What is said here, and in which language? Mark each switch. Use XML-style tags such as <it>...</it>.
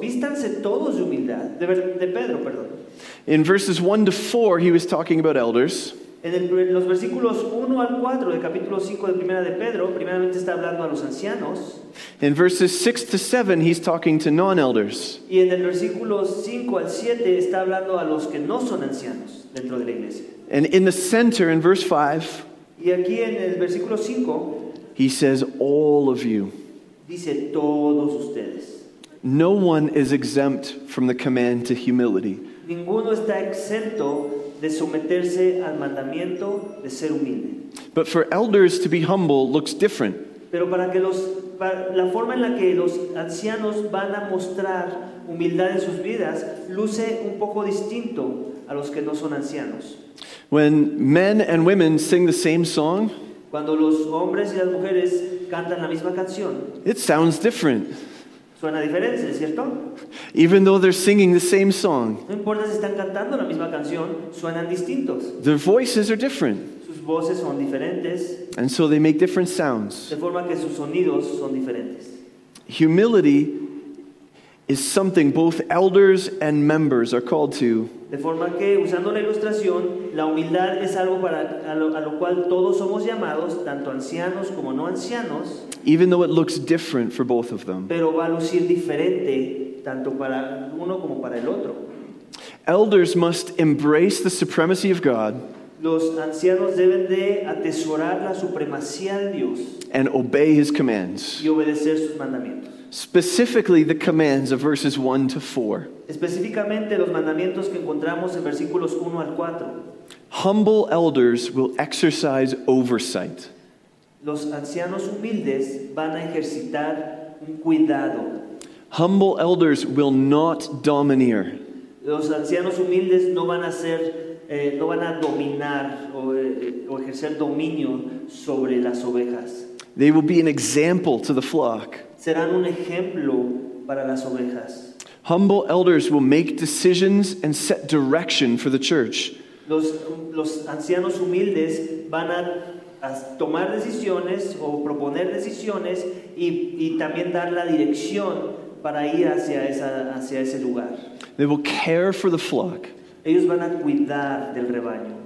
<es>Vístanse todos de humildad. De Pedro, perdón.</es> <en>In verses 1 to 4, he was talking about elders.</en> <es>En los versículos 1 al 4 del capítulo 5 de Primera de Pedro, primeramente está hablando a los ancianos.</es> <en>In verses 6 to 7, he's talking to non-elders.</en> <es>Y en el versículo 5 al 7, está hablando a los que no son ancianos dentro de la iglesia.</es> <en>And in the center, in verse 5,</en> <es>y aquí en el versículo 5,</es> <en>he says, all of you.</en> <es>Dice, todos ustedes.</es> <en>No one is exempt from the command to humility.</en> <es>Ninguno está exento de someterse al mandamiento de ser humilde.</es> <en>But for elders to be humble looks different.</en> <es>Pero para que los, para la forma en la que los ancianos van a mostrar humildad en sus vidas luce un poco distinto a los que no son ancianos.</es> <en>When men and women sing the same song,</en> <es>cuando los hombres y las mujeres cantan la misma canción,</es> <en>it sounds different.</en> <es>Suena diferente, ¿cierto?</es> <en>Even though they're singing the same song.</en> <es>No importa si están cantando la misma canción, suenan distintos.</es> <en>Their voices are different.</en> <es>Sus voces son diferentes.</es> <en>And so they make different sounds.</en> <es>De forma que sus sonidos son diferentes.</es> <en>Humility is something both elders and members are called to.</en> <es>De forma que, usando la ilustración, la humildad es algo para, a lo cual todos somos llamados, tanto ancianos como no ancianos.</es> <en>Even though it looks different for both of them.</en> <es>Pero va a lucir diferente, tanto para uno como para el otro.</es> <en>Elders must embrace the supremacy of God.</en> <es>Los ancianos deben de atesorar la supremacía de Dios.</es> <en>And obey his commands.</en> <es>Y obedecer sus mandamientos.</es> <en>Specifically, the commands of verses 1 to 4.</en> <es>Específicamente los mandamientos que encontramos en versículos 1 al 4.</es> <en>Humble elders will exercise oversight.</en> <es>Los ancianos humildes van a ejercitar un cuidado.</es> <en>Humble elders will not domineer.</en> <es>Los ancianos humildes no van a ser, no van a dominar o ejercer dominio sobre las ovejas.</es> <en>They will be an example to the flock.</en> <es>Serán un ejemplo para las ovejas.</es> <en>Humble elders will make decisions and set direction for the church.</en> <es>Los ancianos humildes van a tomar decisiones o proponer decisiones y también dar la dirección para ir hacia esa, hacia ese lugar.</es> <en>They will care for the flock.</en> <es>Ellos van a cuidar del rebaño.</es>